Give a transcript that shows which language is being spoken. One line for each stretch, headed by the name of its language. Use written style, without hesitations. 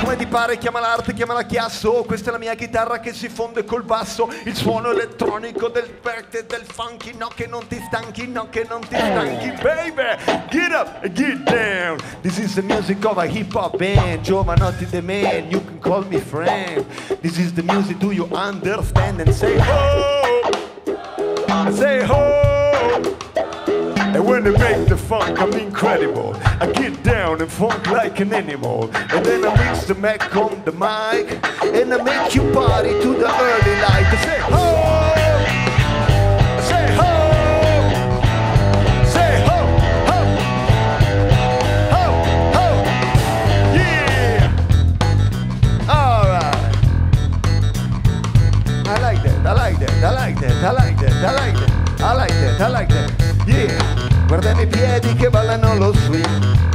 Italian: Pare, chiama l'arte, chiama la chiasso, questa è la mia chitarra che si fonde col basso, il suono elettronico del back e del funky, no che non ti stanchi,
English: no che non ti stanchi, baby, get up and get down, this is the music of a hip hop band, Jovanotti the man, you can call me friend, this is the music, do you understand, and say ho, say ho, and when they make the funk, I'm incredible. I get down and funk like an animal. And then I mix the Mac on the mic, and I make you party to the early light. I say ho! Say ho! Say ho! Ho! Ho! Ho! Yeah! Alright! I like that, I like that, I like that, I like that, I like that, I like that, I like that. Yeah!
Italian: Guarda i miei piedi che ballano lo swing.